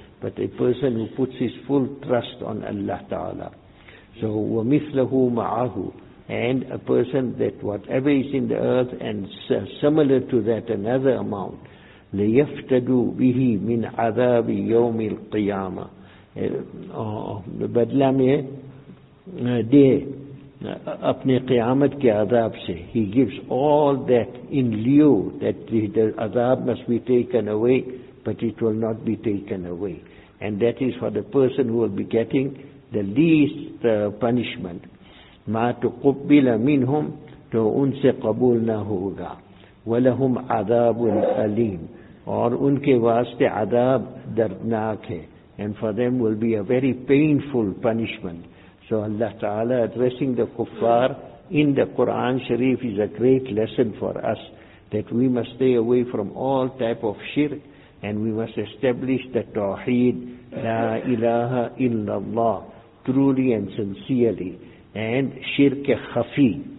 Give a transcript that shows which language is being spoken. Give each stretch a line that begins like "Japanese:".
English: But a person who puts his full trust on Allah Ta'ala. So,
Arabic: وَمِثْلَهُ مَعَهُ,
English: and a person that whatever is in the earth and similar to that another amount,
Arabic: لَيَفْتَدُوا بِهِ مِنْ عَذَابِ يَوْمِ الْقِيَامَةِ,
Urdu: بدلہ میں دے اپنے قیامت کے عذاب سے.
English: He gives all that in lieu that the عذاب must be taken away but it will not be taken away and that is for the person who will be getting the least punishment.
Arabic: ما تقبل منہم
Urdu: تو ان سے قبول نہ ہوگا.
Arabic: ولہم عذاب الیم
Urdu: اور ان کے واسطے عذاب دردناک ہے.
English: And for them will be a very painful punishment. So Allah Ta'ala addressing the kuffar in the Quran Sharif is a great lesson for us that we must stay away from all type of shirk and we must establish the tawheed,
Arabic: la ilaha illallah,
English: truly and sincerely, and shirk khafi,